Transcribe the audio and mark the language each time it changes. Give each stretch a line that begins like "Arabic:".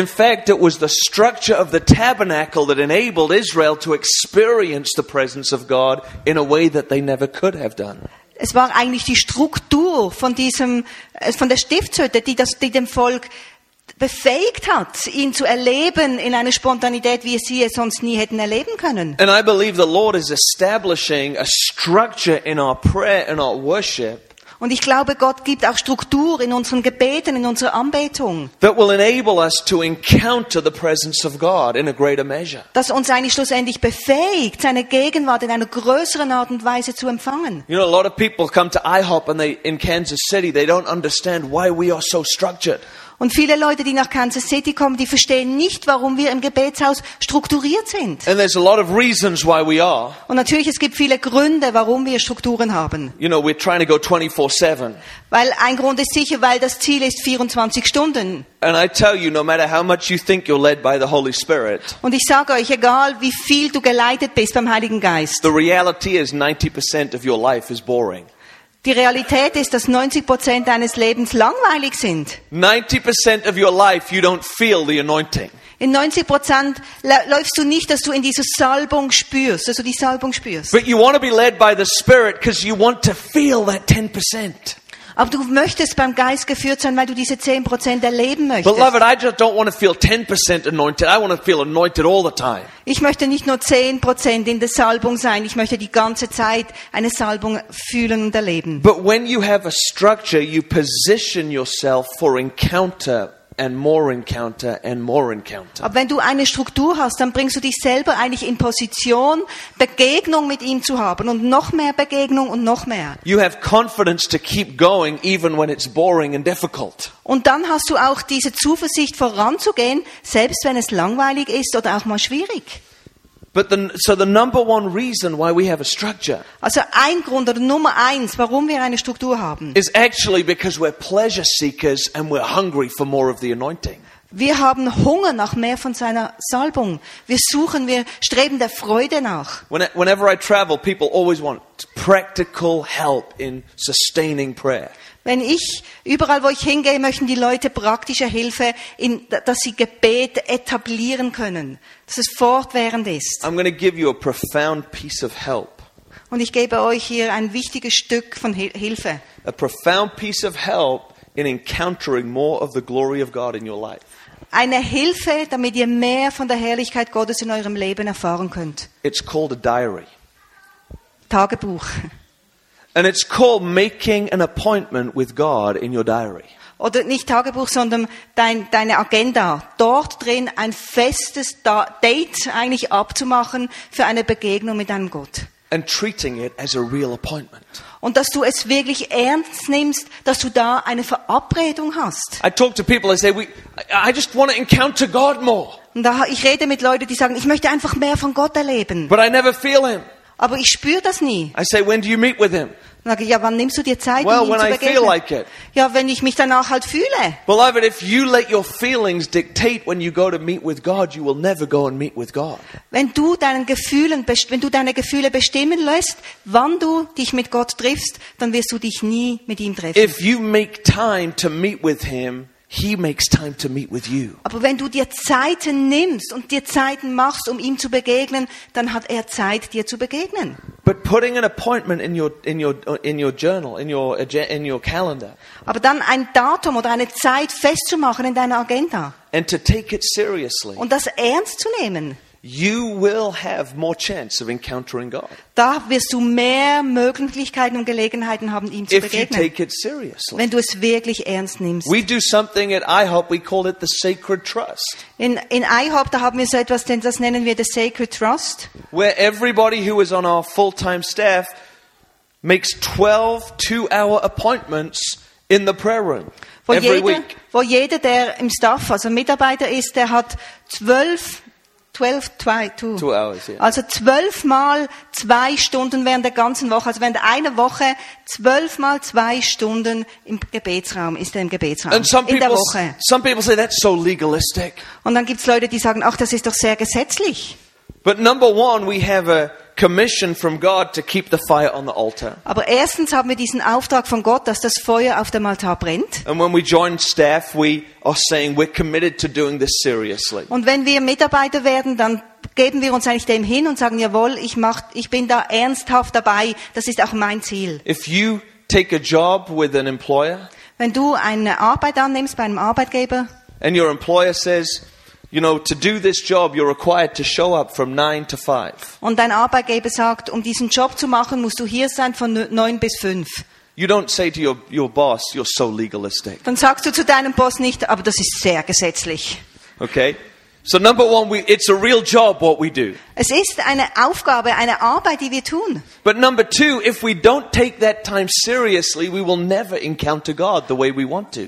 English: In fact, it was the structure of the tabernacle that enabled Israel to experience the presence of God in a way that they never could have done.
German: Es war eigentlich die Struktur von diesem, von der Stiftshütte, die dem Volk befähigt hat, ihn zu erleben in einer Spontanität, wie sie es sonst nie hätten erleben können.
English: And I believe the Lord is establishing a structure in our prayer and our worship.
German: Und ich glaube, Gott gibt auch Struktur in unseren Gebeten, in unserer Anbetung.
English: That will enable us to encounter the presence of God in a greater measure.
German: Das uns eigentlich schlussendlich befähigt, seine Gegenwart in einer größeren Art und Weise zu empfangen.
English: You know, a lot of people come to IHOP and they in Kansas City, they don't understand why we are so structured.
German: Und viele Leute, die nach Kansas City kommen, die verstehen nicht, warum wir im Gebetshaus strukturiert sind.
English: And there's a lot of reasons why we are.
German: Und natürlich, es gibt viele Gründe, warum wir Strukturen haben.
English: You know, we're trying to go 24/7.
German: Weil ein Grund ist sicher, weil das Ziel ist 24 Stunden.
English: And I tell you, no matter how much you think you're led by the Holy Spirit.
German: Und ich sage euch, egal wie viel du geleitet bist beim Heiligen Geist.
English: The reality is 90% of your life is boring.
German: Die Realität ist, dass 90% deines Lebens langweilig sind.
English: 90% of your life you don't feel the anointing.
German: In 90% läufst du nicht, dass du in diese Salbung spürst, dass du die Salbung spürst.
English: But you want to be led by the Spirit because you want to feel that 10%.
German: Aber du möchtest beim Geist geführt sein, weil du diese 10% erleben möchtest.
English: Beloved, I just don't want to feel 10% anointed. I want to feel anointed all the time.
German: Ich möchte nicht nur 10% in der Salbung sein. Ich möchte die ganze Zeit eine Salbung fühlen und erleben.
English: But when you have a structure, you position yourself for encounter and more encounter and more encounter.
German: Aber wenn du eine Struktur hast, dann bringst du dich selber eigentlich in Position, Begegnung mit ihm zu haben und noch mehr Begegnung und noch mehr.
English: You have confidence to keep going even when it's boring and difficult.
German: Und dann hast du auch diese Zuversicht voranzugehen, selbst wenn es langweilig ist oder auch mal schwierig.
English: But the number one reason why we have a structure.
German: Also ein Grund oder Nummer eins, warum wir eine Struktur haben.
English: Is actually because we're pleasure seekers and we're hungry for more of the anointing.
German: Wir haben Hunger nach mehr von seiner Salbung. Wir streben der Freude nach.
English: Whenever I travel, people always want practical help in sustaining prayer.
German: Wenn ich überall, wo ich hingehe, möchten die Leute praktische Hilfe, in, dass sie Gebet etablieren können, dass es fortwährend ist.
English: I'm going to give you a profound piece of help.
German: Und ich gebe euch hier ein wichtiges Stück von Hilfe.
English: A profound piece of help in encountering more of the glory of God in your life.
German: Eine Hilfe, damit ihr mehr von der Herrlichkeit Gottes in eurem Leben erfahren könnt.
English: It's called a diary.
German: Tagebuch.
English: And it's called making an appointment with God in your diary.
German: Oder nicht Tagebuch, sondern deine Agenda. Dort drin ein festes Date eigentlich abzumachen für eine Begegnung mit deinem Gott.
English: And treating it as a real appointment.
German: Und dass du es wirklich ernst nimmst, dass du da eine Verabredung hast.
English: I talk to people, I say, I just want to encounter God more.
German: Und da, ich rede mit Leuten, die sagen, ich möchte einfach mehr von Gott erleben.
English: But I never feel him.
German: Aber ich spüre das nie.
English: I say, when do you meet with him?
German: Dann sage ich, ja, wann nimmst du dir Zeit,
English: well,
German: um ihn zu begegnen?
English: Feel like it.
German: Ja, wenn ich mich danach halt fühle.
English: Beloved, if you let your feelings dictate when you go to meet with God, you will never go and meet with God.
German: Wenn du deine Gefühle bestimmen lässt, wann du dich mit Gott triffst, dann wirst du dich nie mit ihm treffen.
English: If you make time to meet with him, He makes time to meet with you.
German: Aber wenn du dir Zeiten nimmst und dir Zeiten machst, um ihm zu begegnen, dann hat er Zeit, dir zu begegnen.
English: But putting an appointment in your journal, in your calendar.
German: Aber dann ein Datum oder eine Zeit festzumachen in deiner Agenda.
English: And to take it seriously.
German: Und das ernst zu nehmen.
English: You will have more chance of encountering God.
German: Da wirst du mehr Möglichkeiten und Gelegenheiten haben, ihm zu begegnen.
English: If you take it seriously.
German: Wenn du es wirklich ernst nimmst.
English: We do something at IHOP, we call it the sacred trust.
German: In IHOP, da haben wir so etwas, denn das nennen wir
English: the sacred trust. Where everybody who is on our full-time staff makes 12 two-hour appointments in the prayer room.
German: Wo jeder, der im Staff, also Mitarbeiter ist, der hat
English: 12 hours, yeah.
German: Also 12 mal 2 Stunden während der ganzen Woche, also während einer Woche 12 mal 2 Stunden im Gebetsraum ist er im Gebetsraum in der Woche.
English: Some people say that's so legalistic.
German: Und dann gibt's Leute, die sagen, ach, das ist doch sehr gesetzlich.
English: But number one, we have a commission from God to keep the fire on the altar.
German: Aber erstens haben wir diesen Auftrag von Gott, dass das Feuer auf dem Altar brennt.
English: And when we join staff, we are saying we're committed to doing this seriously.
German: Und wenn wir Mitarbeiter werden, dann geben wir uns eigentlich dem hin und sagen, jawohl, ich bin da ernsthaft dabei. Das ist auch mein Ziel.
English: If you take a job with an employer,
German: wenn du eine Arbeit annimmst bei einem Arbeitgeber,
English: and your employer says, you know, to do this job, you're required to show up from 9 to 5.
German: Und dein Arbeitgeber sagt, um diesen Job zu machen, musst du hier sein von 9 bis 5.
English: You don't say to your boss, you're so legalistic.
German: Dann sagst du zu deinem Boss nicht, aber das ist sehr gesetzlich.
English: Okay. So number one, it's a real job what we do.
German: Es ist eine Aufgabe, eine Arbeit, die wir tun.
English: But number two, if we don't take that time seriously, we will never encounter God the way we want to.